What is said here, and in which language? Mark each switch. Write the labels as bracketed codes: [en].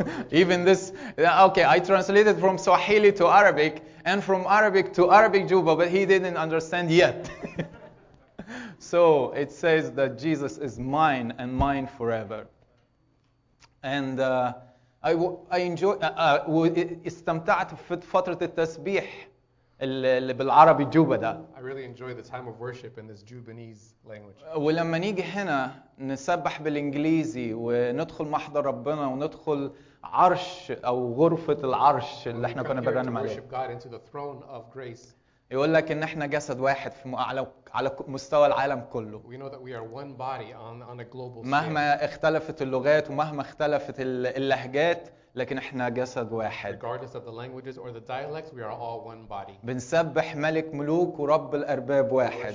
[en] Even this, okay, I translated from Swahili to Arabic and from Arabic to Arabic Juba, but he didn't understand yet. So it says that Jesus is mine and mine forever. [ar] And استمتعت في فترة التسبيح اللي بالعربي جوبا ده. [en] I really enjoy the time of worship in this Jubanese language. [ar] ولما نيجي هنا نسبح بالإنجليزي وندخل محضر ربنا وندخل عرش أو غرفة العرش اللي احنا كنا بنرنم عليه. [en] Worship God into the throne of grace. [ar] يقول لك ان احنا جسد واحد في على مستوى العالم كله. [en] We know that we are one body on a global scale. [ar] مهما اختلفت اللغات ومهما اختلفت اللهجات لكن احنا جسد واحد. [en] Regardless of the languages or the dialects, we are all one body. [ar] بنسبح ملك ملوك ورب الارباب واحد.